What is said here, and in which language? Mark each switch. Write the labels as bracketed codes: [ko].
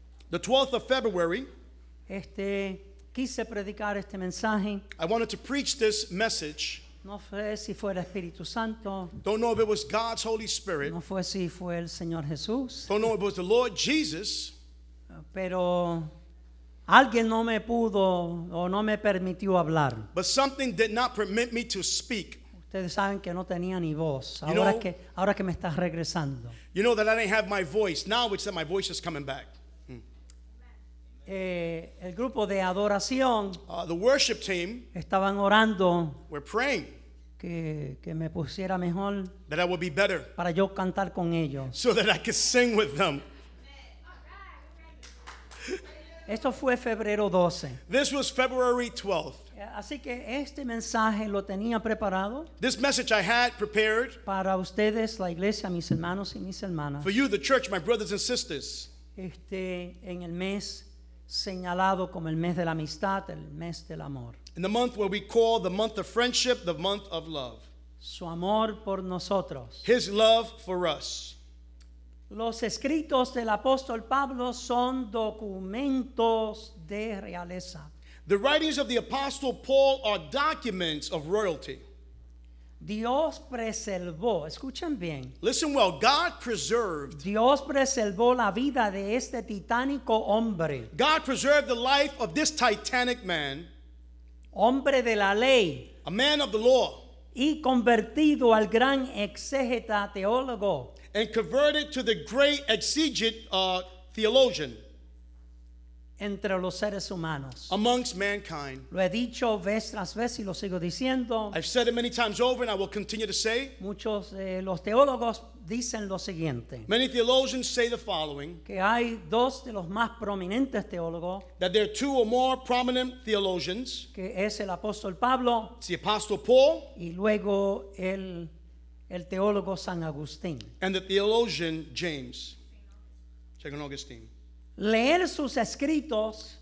[en] The 12th of February. [es] Quise predicar este mensaje. [en] I wanted to preach this message. [es] No fue si fue el Espíritu Santo. [en] Don't know if it was God's Holy Spirit. [es] No fue si fue el Señor Jesús. [en] Don't know if it was the Lord Jesus. [es] Pero alguien no me pudo o no me permitió hablar. [en] But something did not permit me to speak. [es] Ustedes saben que no tenía ni voz. Ahora que me estás regresando. [en] You know that I didn't have my voice. Now it's that my voice is coming back. [es] El grupo de adoración, [en] the worship team, [es] estaban orando, [en] were praying, [es] que me pusiera mejor, [en] that I would be better, [es] para yo cantar con ellos, [en] so that I could sing with them. [es] Esto fue febrero 12. [en] This was February 12th. [es] Así que este mensaje lo tenía preparado. [en] This message I had prepared [es] para ustedes, la iglesia, mis hermanos y mis hermanas. [en] For you, the church, my brothers and sisters. [es] En el mes señalado como el mes de la amistad, el mes del amor. [en] In the month where we call the month of friendship, the month of love. [es] Su amor por nosotros. [en] His love for us. [es] Los escritos del apóstol Pablo son documentos de realeza. [en] The writings of the apostle Paul are documents of royalty. [es] Dios preservó, escuchen bien. [en] Listen well, God preserved. [es] Dios preservó la vida de este titánico hombre. [en] God preserved the life of this titanic man. [es] Hombre de la ley. [en] A man of the law. [es] Y convertido al gran exégeta teólogo. [en] And converted to the great exegete theologian. [es] entre los seres humanos. [en] Amongst mankind. [es] Lo he dicho vez tras vez y lo sigo diciendo. [en] I've said it many times over and I will continue to say. [es] Muchos los teólogos dicen lo siguiente. [en] Many theologians say the following. [es] Que hay dos de los más prominentes teólogos. [en] That there are two or more prominent theologians. [es] Que es el apóstol Pablo. [en] It's the apostle Paul. [es] Y luego el teólogo San Agustín. [en] And the theologian James. Second Augustine. [es] Leer sus escritos,